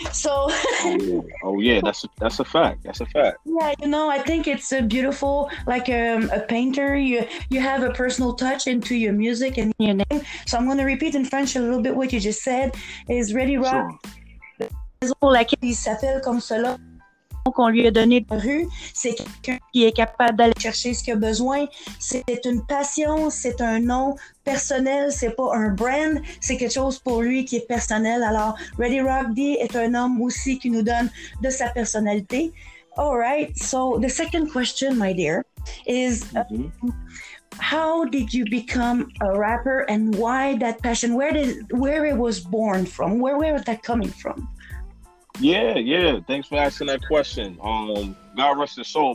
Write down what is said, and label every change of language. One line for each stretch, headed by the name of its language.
English: So, Oh, yeah. That's a fact. Yeah, you know, I think it's a beautiful, like a painter. You have a personal touch into your music and your name. So I'm going to repeat in French a little bit what you just said. Is Ready Rock. Sure. Like,
French: il s'appelle comme cela. Qu'on lui a donné de la rue, c'est quelqu'un qui est capable d'aller chercher ce qu'il a besoin. C'est une passion, c'est un nom personnel, c'est pas un brand, c'est quelque chose pour lui qui est personnel. Alors, Ready Rock D est un homme aussi qui nous donne de sa personnalité.
English: All right, so the second question, my dear, is how did you become a rapper and why that passion? Where it was born from? Where is that coming from? Yeah. Thanks for asking that question. God rest his soul.